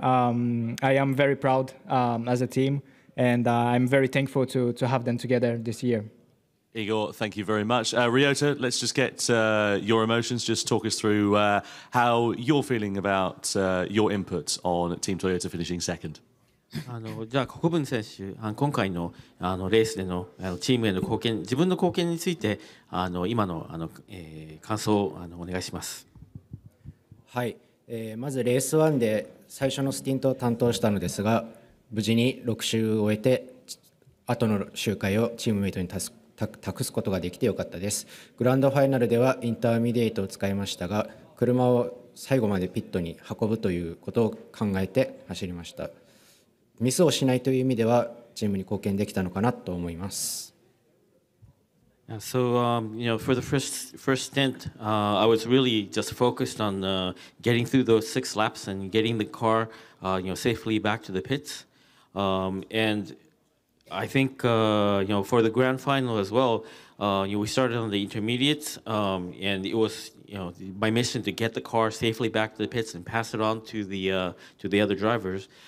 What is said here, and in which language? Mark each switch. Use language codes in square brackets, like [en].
[en] I am very proud as a team, and I'm very thankful to have them together this year. Igor, thank you very much. Ryota, let's just get your emotions. Just talk us through how you're feeling about your input on Team Toyota finishing second. [ja] じゃあ国分選手、今回 の, あのレースで の, あのチームへの貢献、自分の貢献について今 の, あの、感想をお願いします。はい。まずレース1で最初のスティントを担当したのですが、無事に6周を終えて後の周回をチームメイトに託すことができてよかったです。グランドファイナルではインターミディエイトを使いましたが、車を最後までピットに運ぶということを考えて走りました。ミスをしないという意味ではチームに貢献できたのかなと思います。 [en] Yeah, so you know, for the first stint, I was really just focused on getting through those six laps and getting the car, you know, safely back to the pits. And I think you know, for the grand final as well, you know, we started on the intermediates, and it was, you know, my mission to get the car safely back to the pits and pass it on to the other drivers.